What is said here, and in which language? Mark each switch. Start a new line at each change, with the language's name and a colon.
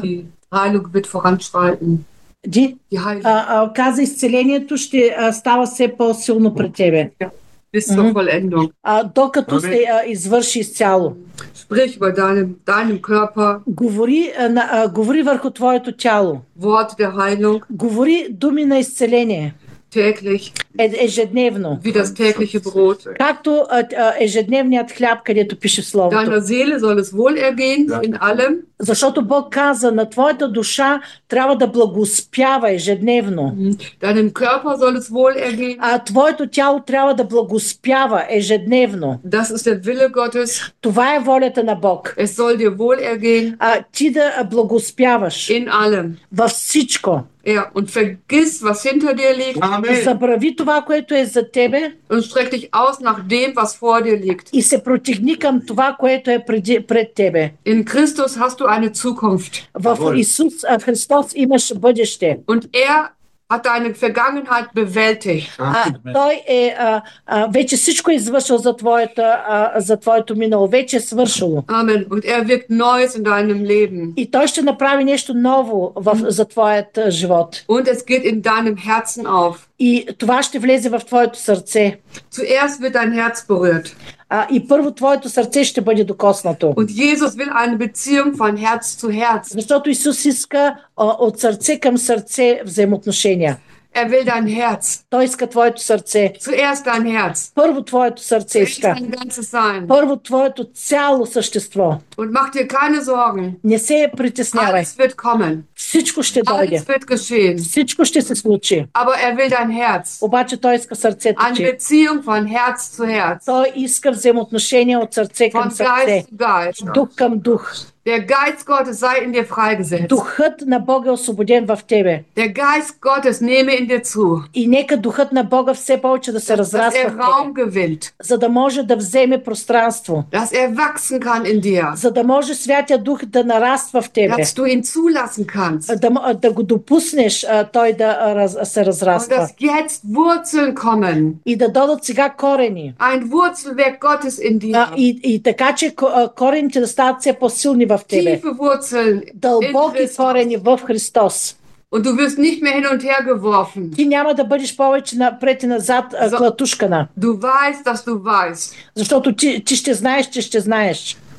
German: Die Heilung wird voranschreiten. Ди? Die Heilung.
Bulgarian: Каза, изцелението ще става все по-силно при тебе.
German: Bis zur Vollendung.
Bulgarian: Докато се извърши изцяло.
German: Sprich über deinem Körper.
Bulgarian: Говори, говори върху твоето тяло.
German: Wort der Heilung.
Bulgarian: Говори думи на изцеление.
German: Täglich.
Bulgarian: Ежедневно.
German: Wie das tägliche Brot.
Bulgarian: Както ежедневният хляб, където пише словото.
German: Deiner Seele soll es wohlergehen in allem.
Bulgarian: Защото Бог каза, на твоята душа трябва да благоспява ежедневно.
German: Deinem Körper soll es wohlergehen.
Bulgarian: А твоето тяло трябва да благоспява ежедневно.
German: Das ist der Wille Gottes.
Bulgarian: Това е волята на Бог.
German: Es soll dir wohlergehen.
Bulgarian: Ти да благоспяваш.
German: In allem.
Bulgarian: Във всичко.
German: Ja, und vergiss, was hinter dir liegt.
Bulgarian: Забрави това, което е за тебе.
German: Und streck dich aus nach dem, was vor dir liegt.
Bulgarian: И се протегни към това, което е пред, пред тебе.
German: In Christus hast du eine Zukunft.
Bulgarian: В Исус Христос имаш бъдеще.
German: Und er hat deine Vergangenheit bewältigt.
Bulgarian: Той е вече всичко извършил за твоето, за твоето минало. Вече е свършило. Amen.
German: Und er wirkt Neues in deinem Leben.
Bulgarian: И той ще направи нещо ново в, за твоят живот.
German: Und es geht in deinem Herzen auf.
Bulgarian: И това ще влезе в твоето сърце.
German: Zuerst wird dein Herz berührt.
Bulgarian: И първо твоето сърце ще бъде докоснато.
German: Und Jesus will eine Beziehung von Herz zu Herz.
Bulgarian: Защото Исус иска от сърце към сърце взаимоотношения.
German: Er will dein Herz.
Bulgarian: Той иска твоето сърце.
German: Zuerst dein Herz.
Bulgarian: Първо твоето сърце иска.
German: Dein ganzes sein.
Bulgarian: Първо твоето цяло същество.
German: Und mach dir keine Sorgen.
Bulgarian: Не се притеснявай.
German: Alles wird kommen.
Bulgarian: Всичко ще дойде.
German: Alles wird geschehen.
Bulgarian: Всичко ще се случи.
German: Aber er will dein Herz.
Bulgarian: Обаче той иска сърцето ти.
German: Eine Beziehung von Herz zu Herz.
Bulgarian: Той иска взаимоотношение от сърце към
German: von
Bulgarian: сърце.
German: Geist zu Geist.
Bulgarian: Дух към дух.
German: Der Geist Gottes sei in dir freigesetzt.
Bulgarian: Духът на Бога е освободен в тебе.
German: Der Geist Gottes nehme in dir zu.
Bulgarian: И нека духът на Бога все повече да се разраства.
German: Dass er Raum gewinnt.
Bulgarian: За да може да вземе пространство.
German: Dass er wachsen kann in dir.
Bulgarian: За да може Святия Дух да нараства в тебе.
German: Dass du ihn zulassen kannst.
Bulgarian: Да, да го допуснеш той да се разраства.
German: Und dass jetzt Wurzeln kommen.
Bulgarian: И да дойдат сега корени.
German: Ein Wurzelwerk Gottes in dir.
Bulgarian: И така, че корените да стават все по-силни в тебе.
German: Tiefe Wurzeln
Bulgarian: дълбоки корени в Христос.
German: Und du wirst nicht mehr hin und her geworfen.
Bulgarian: Ти няма да бъдеш повече напред и назад клатушкана.
German: Du weißt, dass du weißt.
Bulgarian: Защото ти, ти ще знаеш, че ще знаеш.